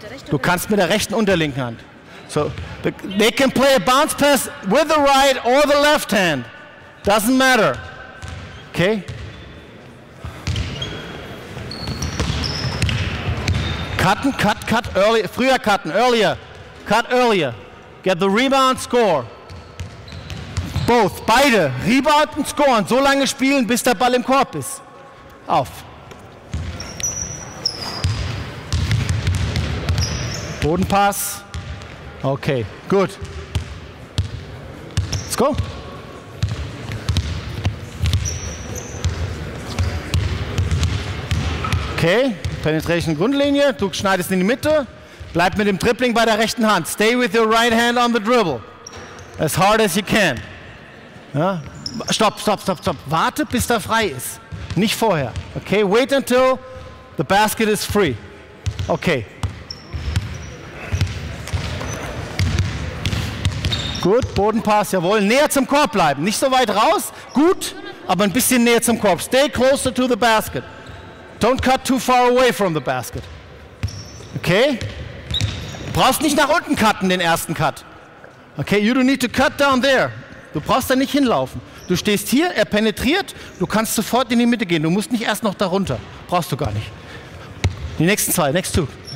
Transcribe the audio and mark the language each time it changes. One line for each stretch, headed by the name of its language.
German: Du kannst mit der rechten und der linken Hand.
English: So, they can play a bounce pass with the right or the left hand. Doesn't matter. Okay. Cut early,
German: früher cutten,
English: earlier. Cut earlier. Get the rebound, score. Both,
German: beide, rebound und scoren, so lange spielen, bis der Ball im Korb ist. Auf. Bodenpass. Okay, gut.
English: Let's go.
German: Okay, Penetration Grundlinie, du schneidest in die Mitte, bleib mit dem Dribbling bei der rechten Hand.
English: Stay with your right hand on the dribble. As hard as you can.
German: Ja. Stopp. Warte, bis der frei ist. Nicht vorher.
English: Okay, wait until the basket is free. Okay.
German: Gut, Bodenpass, jawohl. Näher zum Korb bleiben. Nicht so weit raus. Gut, aber ein bisschen näher zum Korb.
English: Stay closer to the basket. Don't cut too far away from the basket. Okay.
German: Brauchst nicht nach unten cutten, den ersten Cut.
English: Okay, you don't need to cut down there.
German: Du brauchst da nicht hinlaufen. Du stehst hier, er penetriert, du kannst sofort in die Mitte gehen. Du musst nicht erst noch darunter. Brauchst du gar nicht. Die nächsten zwei,
English: next two.